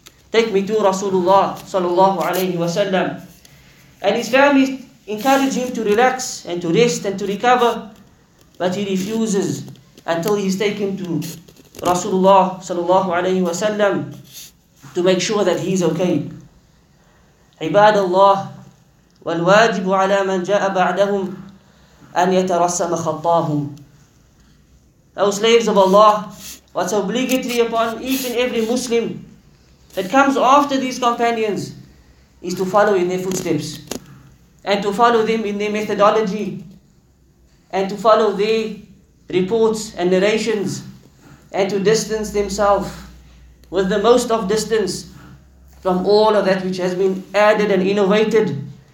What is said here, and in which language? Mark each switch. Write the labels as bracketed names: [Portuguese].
[English] Take me to Rasulullah sallallahu alayhi wa sallam. And his family encourage him to relax and to rest and to recover, but he refuses until he's taken to Rasulullah sallallahu alayhi wa sallam to make sure that he's okay. [Arabic] Ibadallah, والواجب على من جاء بعدهم أن يترسم خطاهم. [English] O slaves of Allah, what's obligatory upon each and every Muslim that comes after these companions is to follow in their footsteps and to follow them in their methodology and to follow their reports and narrations and to distance themselves with the most of distance from all of that which has been added and innovated